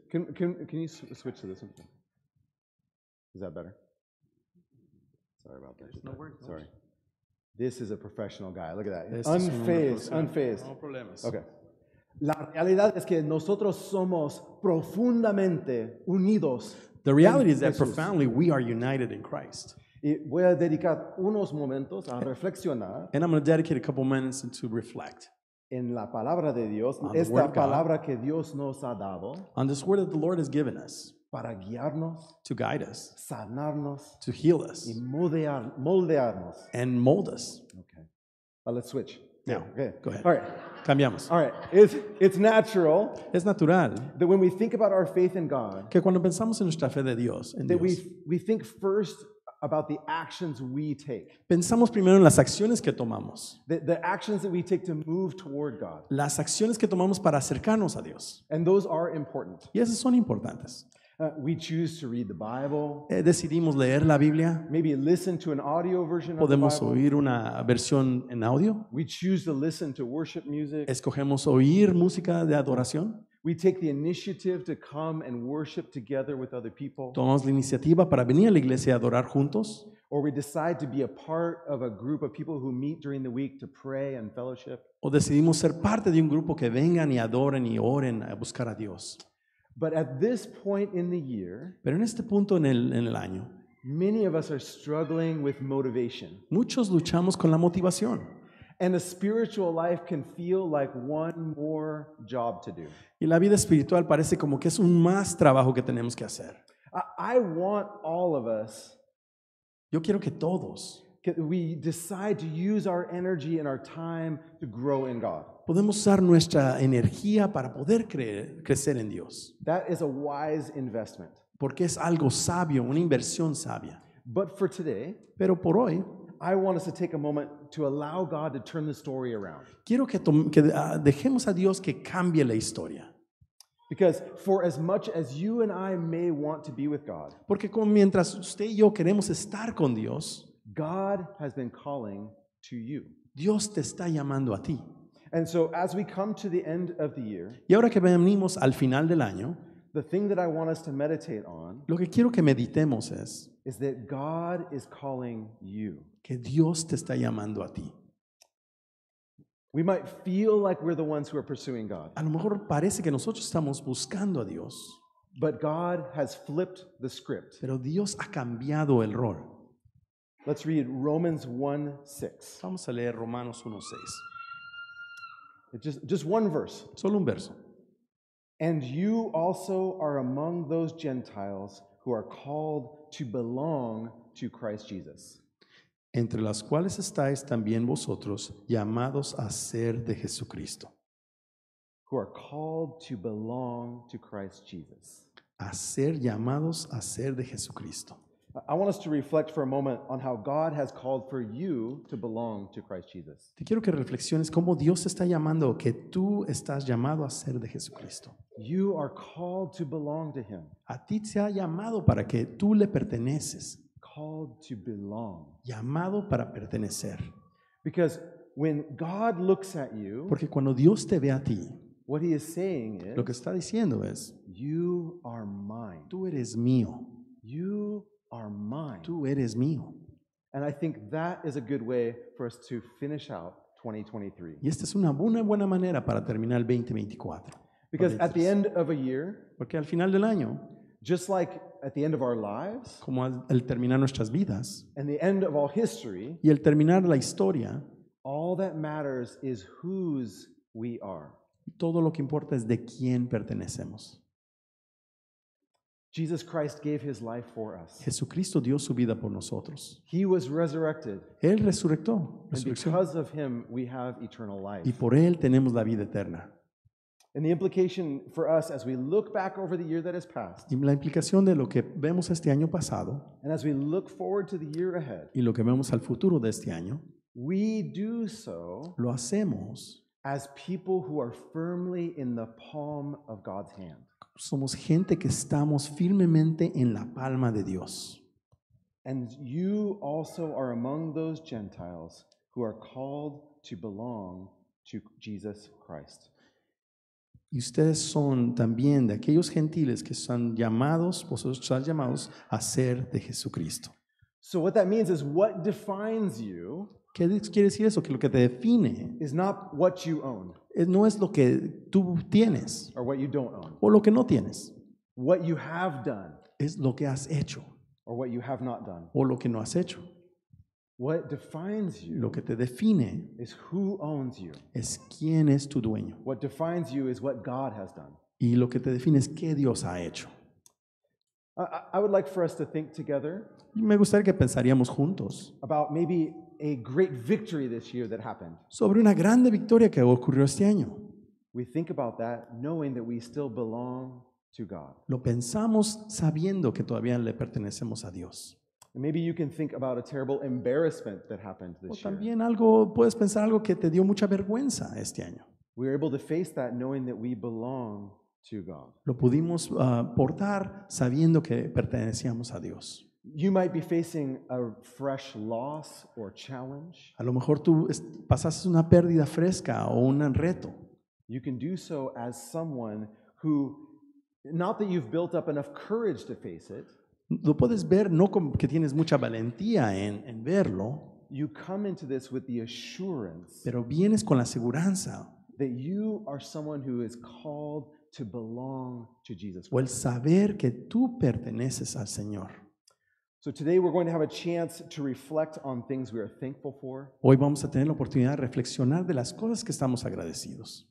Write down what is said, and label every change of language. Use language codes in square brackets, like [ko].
[en] Can you switch to this one? Is that better? Sorry about that. There's no word. Sorry. This is a professional guy. Look at that. Unfazed. [es] No problemas. [en] Okay. [es] La realidad es que nosotros somos profundamente unidos. [en] The reality is that profoundly we are united in Christ. [es] Y voy a dedicar unos momentos a reflexionar. [en] And I'm going to dedicate a couple minutes to reflect. [es] En la palabra de Dios, esta palabra que Dios nos ha dado. [en] On this word that the Lord has given us. [es] Para guiarnos. [en] To guide us. [es] Sanarnos. [en] To heal us. [es] Y moldearnos. [en] And mold us. Okay. Well, let's switch. Now, okay. Go ahead. All right. [es] Cambiamos. [en] All right. It's natural. [es] Es natural. [en] That when we think about our faith in God. [es] Que cuando pensamos en nuestra fe de Dios. En [en] that [es] Dios, [en] we think first about the actions we take. [es] Pensamos primero en las acciones que tomamos. [en] The actions that we take to move toward God. [es] Las acciones que tomamos para acercarnos a Dios. [en] And those are important. [es] Y esas son importantes. [en] We choose to read the Bible. [es] Decidimos leer la Biblia. [en] Maybe listen to an audio version [es] podemos [en] of the Bible. [es] Oír una versión en audio. [en] We choose to listen to worship music. [es] Escogemos oír música de adoración. [en] We take the initiative to come and worship together with other people. [es] Tomamos la iniciativa para venir a la iglesia a adorar juntos. [en] Or we decide to be a part of a group of people who meet during the week to pray and fellowship. [es] O decidimos ser parte de un grupo que vengan y adoren y oren a buscar a Dios. [en] But at this point in the year, [es] pero en este punto en el año, [en] many of us are struggling with motivation. [es] Muchos luchamos con la motivación. [en] And a spiritual life can feel like one more job to do. [es] Y la vida espiritual parece como que es un más trabajo que tenemos que hacer. [en] I want all of us. [es] Yo quiero que todos. [en] We decide to use our energy and our time to grow in God. [es] Podemos usar nuestra energía para poder crecer en Dios. [en] That is a wise investment. [es] Porque es algo sabio, una inversión sabia. [en] But for today, [es] pero por hoy, [en] I want us to take a moment to allow God to turn the story around. [es] Quiero que dejemos a Dios que cambie la historia. [en] Because for as much as you and I may want to be with God, [es] porque como mientras usted y yo queremos estar con Dios, [en] God has been calling to you. [es] Dios te está llamando a ti. [en] And so as we come to the end of the year, [es] y ahora que venimos al final del año, [en] the thing that I want us to meditate on, [es] lo que quiero que meditemos es, [en] is that God is calling you. [es] Que Dios te está llamando a ti. [en] We might feel like we're the ones who are pursuing God. [es] A lo mejor parece que nosotros estamos buscando a Dios. [en] But God has flipped the script. [es] Pero Dios ha cambiado el rol. [en] Let's read Romans 1:6. [es] Vamos a leer Romanos 1:6. [en] Just one verse. [es] Solo un verso. [en] And you also are among those Gentiles who are called to belong to Christ Jesus. [es] Entre las cuales estáis también vosotros, llamados a ser de Jesucristo. [en] Who are called to belong to Christ Jesus. [es] A ser llamados a ser de Jesucristo. [en] I want us to reflect for a moment on how God has called for you to belong to Christ Jesus. [es] Te quiero que reflexiones cómo Dios está llamando, que tú estás llamado a ser de Jesucristo. [en] You are called to belong to Him. [es] A ti se ha llamado para que tú le perteneces. [en] Called to belong. [es] Llamado para pertenecer. [en] Because when God looks at you, [es] porque cuando Dios te ve a ti, [en] what He is saying is, [es] lo que está diciendo es, [en] you are mine. [es] Tú eres mío. [en] You are mine. [es] Tú eres mío. [en] And I think that is a good way for us to finish out 2023. [es] Y esta es una buena manera para terminar el 2024. [en] Because at the end of a year, [es] porque al final del año, [en] just like at the end of our lives, [es] como al terminar nuestras vidas, [en] and the end of all history, [es] y el terminar la historia, [en] All that matters is whose we are. [es] Todo lo que importa es de quién pertenecemos. [en] Jesus Christ gave his life for us. [es] Jesucristo dio su vida por nosotros. [en] He was resurrected. [es] Él resucitó. [en] And because of him, we have eternal life. [es] Y por él tenemos la vida eterna. [en] And the implication for us as we look back over the year that has passed. [es] Y la implicación de lo que vemos este año pasado. [en] And as we look forward to the year ahead. [es] Y lo que vemos al futuro de este año. [en] We do so. [es] Lo hacemos. [en] As people who are firmly in the palm of God's hand. [es] Somos gente que estamos firmemente en la palma de Dios. [en] And you also are among those Gentiles who are called to belong to Jesus Christ. [es] Y ustedes son también de aquellos gentiles que son llamados, vosotros son llamados a ser de Jesucristo. [en] So what that means is what defines you. [es] ¿Qué quiere decir eso? Que lo que te define [en] is not what you own. [es] No es lo que tú tienes. [en] Or what you don't own. [es] O lo que no tienes. [en] What you have done. [es] Es lo que has hecho. [en] Or what you have not done. [es] O lo que no has hecho. [en] What defines you. [es] Lo que te define [en] is who owns you. [es] Es quién es tu dueño. [en] What defines you is what God has done. [es] Y lo que te define es qué Dios ha hecho. [en] I would like for us to think together. [es] Me gustaría que pensaríamos juntos. [en] About maybe a great victory this year that happened. [es] Sobre una grande victoria que ocurrió este año. [en] We think about that knowing that we still belong to God. [es] Lo pensamos sabiendo que todavía le pertenecemos a Dios. [en] And maybe you can think about a terrible embarrassment that happened this year. [es] O también algo puedes pensar algo que te dio mucha vergüenza este año. [en] We are able to face that knowing that we belong to God. [es] Lo pudimos portar sabiendo que pertenecíamos a Dios. [en] You might be facing a fresh loss or challenge. [es] A lo mejor tú pasaste una pérdida fresca o un reto. [en] You can do so as someone who, not that you've built up enough courage to face it. [es] Lo puedes ver no como que tienes mucha valentía en verlo. [en] You come into this with the assurance. [es] Pero vienes con la seguridad. [en] That you are someone who is called to belong to Jesus. [es] O el saber que tú perteneces al Señor. [en] So today we're going to have a chance to reflect on things we are thankful for. [es] Hoy vamos a tener la oportunidad de reflexionar de las cosas que estamos agradecidos.